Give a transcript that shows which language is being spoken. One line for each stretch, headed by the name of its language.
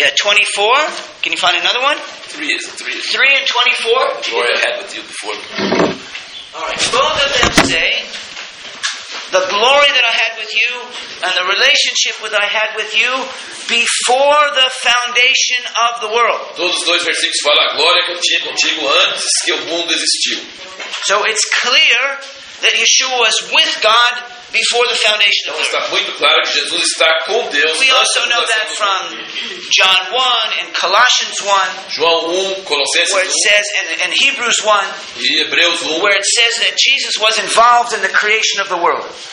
English: Yeah, 24. Can you find another one? Three and 24. Glory I had with you before. All right. Both of them say, the glory that I had with you and the relationship that I had with you before the foundation of the world.
Portuguese: Todos os dois versículos falam a glória que eu tinha contigo antes que o mundo existiu.
English: So it's clear that Yeshua was with God before the foundation of the world.
Portuguese: Está muito claro que Jesus está com Deus.
English: We also know that from John 1 and Colossians 1.
Portuguese: João 1, Colossenses 1.
English: Where it says in Hebrews 1.
Portuguese: E Hebreus 1.
English: Where it says that Jesus was involved in the creation of the world.